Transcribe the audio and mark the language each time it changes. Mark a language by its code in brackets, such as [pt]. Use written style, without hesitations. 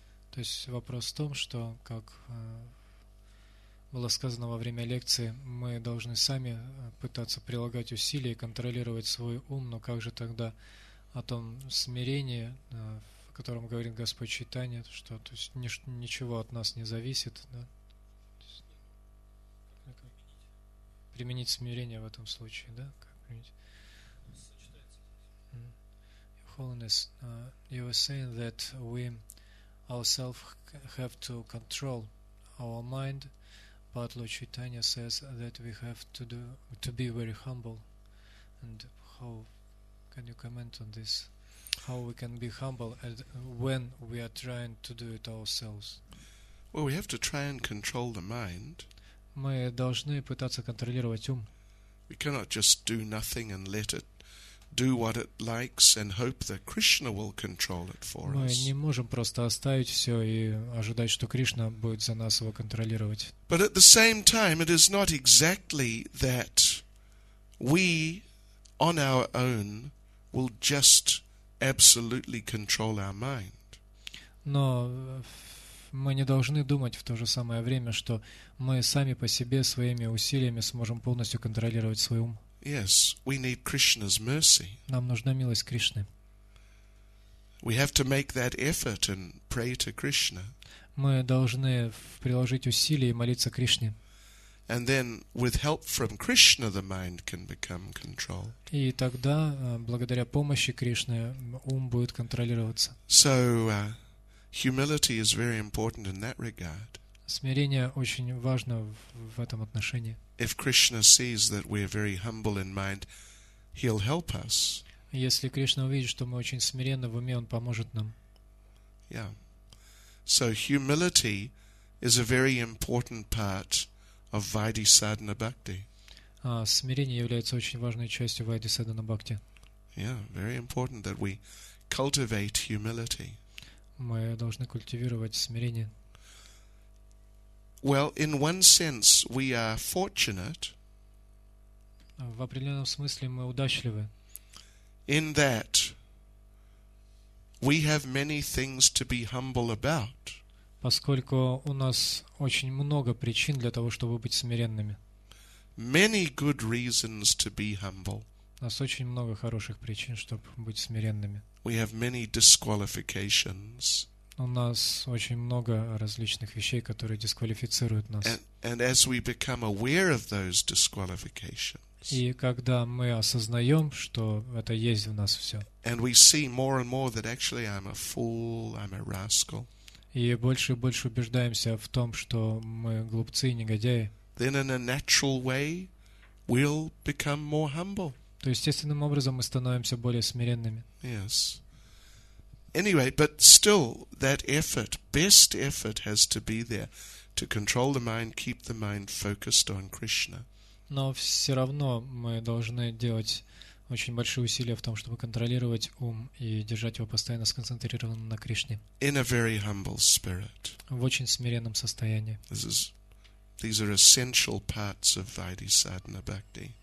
[ru] То есть вопрос в том, что, как было сказано во время лекции, мы должны сами пытаться прилагать усилия и контролировать свой ум, но как же тогда о том смирении, о котором говорит Господь Чайтанья, что то есть, ничего от нас не зависит, да? Применить смирение в этом случае, да? Как применить? [en] Holiness, you were saying that we ourselves have to control our mind, but Lord Chaitanya says that we have to be very humble. And how can you comment on this? How we can be humble and when we are trying to do it ourselves? Well, we have to try and control the mind. [ru] Мы должны пытаться контролировать ум. [en] We cannot just do nothing and let it do what it likes and hope that Krishna will control it for us. [ru] Мы не можем просто оставить все и ожидать, что Кришна будет за нас его контролировать. [en] But at the same time, it is not exactly that we on our own will just absolutely control our mind. [ru] Но мы не должны думать в то же самое время, что мы сами по себе, своими усилиями сможем полностью контролировать свой ум. [en] Yes, we need Krishna's mercy. [ru] Нам нужна милость Кришны. [en] We have to make that effort and pray to Krishna. [ru] Мы должны приложить усилия и молиться Кришне. [en] And then, with help from Krishna, the mind can become control. [ru] И тогда, благодаря помощи Кришны, ум будет контролироваться. [en] So, humility is very important in that regard. [ru] Смирение очень важно в этом отношении. [en] If Krishna sees that we are very humble in mind, he'll help us. [ru] Если Кришна увидит, что мы очень смиренны в уме, он поможет нам. [en] Yeah. So humility is a very important part of Vaidhi Sadhana Bhakti. [ru] Смирение является очень важной частью Vaidhi Sadhana Bhakti. [en] Yeah, very important that we cultivate humility. [ru] Мы должны культивировать смирение. [en] Well, in one sense, we are fortunate. [ru] В определенном смысле мы удачливы. [en] In that we have many things to be humble about. [ru] Поскольку у нас очень много причин для того, чтобы быть смиренными. [en] Many good reasons to be humble. [ru] У нас очень много хороших причин, чтобы быть смиренными. [en] We have many disqualifications. [ru] У нас очень много различных вещей, которые дисквалифицируют нас. [en] And as we become aware of those disqualifications. [ru] И когда мы осознаем, что это есть в нас все. [en] And we see more and more that actually I'm a fool, I'm a rascal. [ru] И больше и больше убеждаемся в том, что мы глупцы и негодяи. [en] Then in a natural way we'll become more humble. [ru] То естественным образом мы становимся более смиренными. [en] Yes. Anyway, but still that effort, best effort has to be there to control the mind, keep the mind focused on Krishna. [ru] Но все равно мы должны делать очень большие усилия в том, чтобы контролировать ум и держать его постоянно сконцентрированным на Кришне. [en] In a very humble spirit. [ru] В очень смиренном состоянии. [en] These are essential parts of Vaidhi Sadhana Bhakti.